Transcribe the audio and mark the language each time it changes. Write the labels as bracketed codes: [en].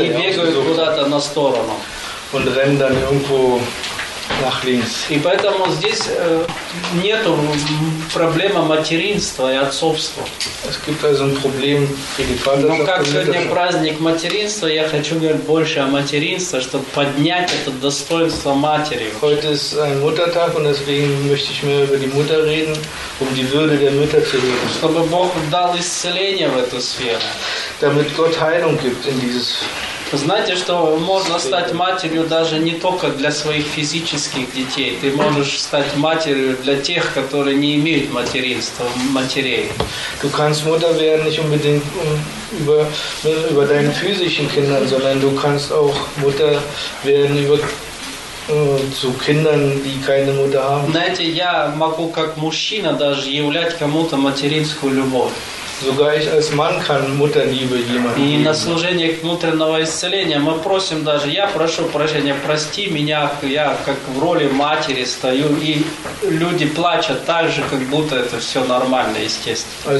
[ru] И бегают куда-то на сторону. [de] Und rennen dann irgendwo nach links. [ru] И поэтому здесь нету проблемы материнства и отцовства. [de] Es gibt also ein Problem für die Vaterschaft. [ru] Но как сегодня праздник материнства, я хочу говорить больше о материнстве, чтобы поднять это достоинство матери. [de] Heute ist ein Muttertag und deswegen möchte ich mehr über die Mutter reden, um die Würde der Mütter zu heben. [ru] Чтобы Бог дал исцеление в эту сферу. [de] Damit Gott Heilung gibt in dieses. [ru] Знаете, что можно стать матерью даже не только для своих физических детей. Ты можешь стать матерью для тех, которые не имеют материнства, матерей. [de] Du kannst Mutter werden nicht unbedingt über deine physischen Kinder, sondern du kannst auch Mutter werden zu Kindern, die keine Mutter haben. [ru] Знаете, я могу как мужчина даже являть кому-то материнскую любовь. [de] Sogar ich als Mann kann Mutterliebe jemandem. [ru] И на служение внутреннего исцеления мы просим даже, я прошу прощения, прости меня, я как в роли матери стою, и люди плачут так же, как будто это все нормально, естественно.